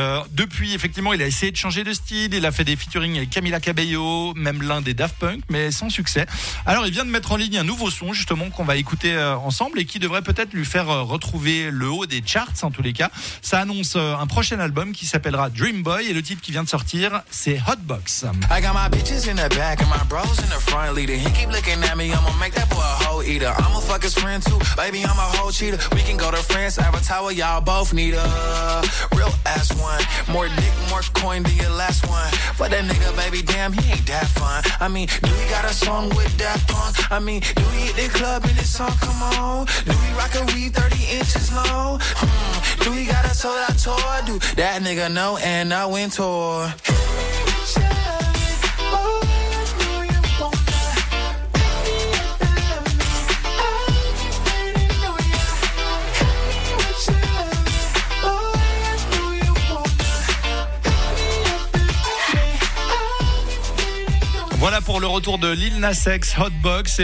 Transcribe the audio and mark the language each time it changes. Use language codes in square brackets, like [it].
[fr] Depuis, effectivement, il a essayé de changer de style, il a fait des featuring avec Camila Cabello, même l'un des Daft Punk, mais sans succès. Alors il vient de mettre en ligne un nouveau son justement qu'on va écouter ensemble et qui devrait peut-être lui faire retrouver le haut des charts en tous les cas. Ça annonce un prochain album qui s'appellera Dream Boy et le titre qui vient de sortir c'est Hotbox. [en] I got my bitches in the back and my bros in the front leader. He keep looking at me, I'ma make that boy a hoe eater. I'ma fuck his friend too, baby I'm a hoe cheater. We can go to France, Avatar, y'all both need a real ass one. More dick, more coin than your last one. But that nigga baby damn, he ain't that fun. I mean, do he got a song with that punk? I mean, do he hit the club in his song, come on? Do he rock a weed 30 inches low? Do he got a sold out tour? Do that nigga know? And I went to [fr] voilà pour le retour de Lil Nas X, Hotbox.